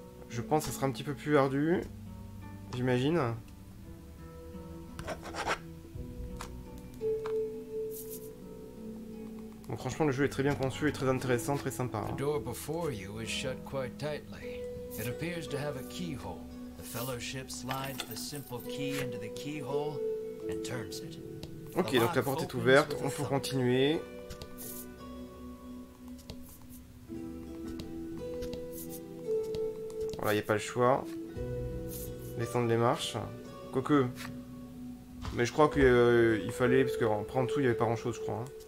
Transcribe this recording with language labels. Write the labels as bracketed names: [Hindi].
[French] Je pense que ça sera un petit peu plus ardu, j'imagine. Bon, franchement, le jeu est très bien conçu et très intéressant, très sympa. La porte devant vous est fermée assez tightly. Elle semble avoir un keyhole. [English] Fellowship slides the simple key into the keyhole and turns it. [French] Ok, donc la porte est ouverte, on peut continuer. Voilà, il n'y a pas le choix. Descendre les marches. Quoique. Mais je crois qu'il fallait, parce qu'en prenant tout, il n'y avait pas grand chose, je crois. Hein.